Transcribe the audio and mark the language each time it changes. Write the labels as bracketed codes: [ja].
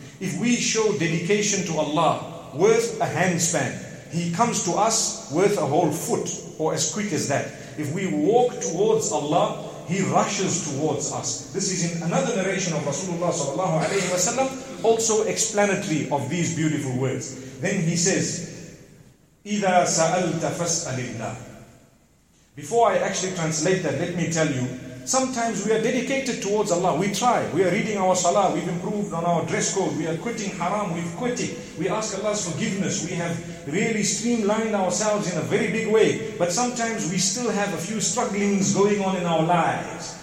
[en] If we show dedication to Allah worth a handspan, He comes to us worth a whole foot, or as quick as that. If we walk towards Allah, He rushes towards us. This is in another narration of Rasulullah sallallahu alayhi wa sallam, also explanatory of these beautiful words. Then he says, [ar] إِذَا سَأَلْتَ فَاسْأَلِ اللَّهِ. [en] Before I actually translate that, let me tell you, sometimes we are dedicated towards Allah. We try. We are reading our salah. We've improved on our dress code. We are quitting haram. We've quit it. We ask Allah's forgiveness. We have really streamlined ourselves in a very big way. But sometimes we still have a few strugglings going on in our lives.